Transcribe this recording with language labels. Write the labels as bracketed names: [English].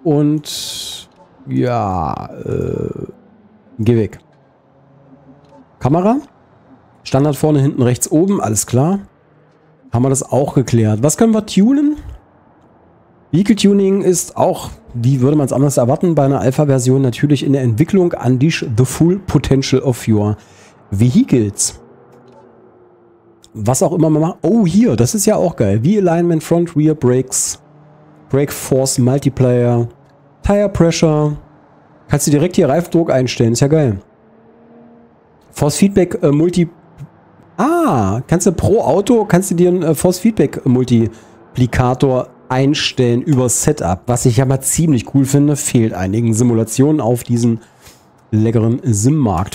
[German] Und ja, geh weg. Kamera. Standard vorne, hinten, rechts, oben. Alles klar. Haben wir das auch geklärt. Was können wir tunen? Vehicle Tuning ist auch, wie würde man es anders erwarten, bei einer Alpha-Version natürlich in der Entwicklung. [English] Unleash the full potential of your vehicles. [German] Was auch immer man macht. Oh, hier, das ist ja auch geil. V-Alignment, Front, Rear, Brakes, Brake Force, Multiplier, Tire Pressure. Kannst du direkt hier Reifendruck einstellen, ist ja geil. Force Feedback Multi. Ah, kannst du pro Auto, kannst du dir ein Force Feedback Multiplikator einstellen über Setup, was ich ja mal ziemlich cool finde, fehlt einigen Simulationen auf diesen leckeren Sim-Markt.